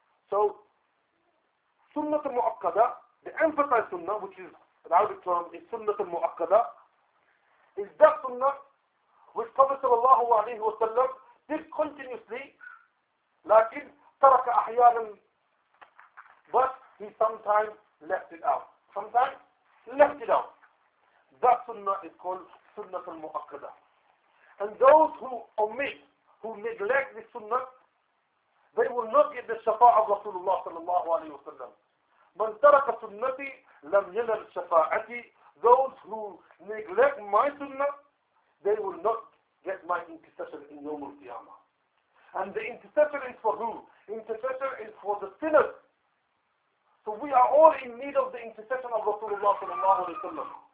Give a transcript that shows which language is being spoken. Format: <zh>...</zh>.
<en>So, sunnah al-mu'akkada, the emphasized sunnah, which is an Arabic term, is sunnah al-mu'akkada, is that sunnah which Prophet sallallahu alayhi wa sallam did continuously,</en> <ar>لكن ترك أحيانا,</ar> <en>but he sometimes left it out. Sometimes left it out. That sunnah is called sunnah al-mu'akkada. And those who omit, who neglect this sunnah, they will not get the shafa'ah of Rasulullah sallallahu alayhi wa sallam.</en> <ar>من ترك سنتي لم ينل شفاعتي.</ar> <en>Those who neglect my sunnah, they will not get my intercession in Yawm al-Qiyamah. And the intercessor is for who? Intercessor is for the sinners. So we are all in need of the intercession of Rasulullah sallallahu alayhi wa sallam.</en>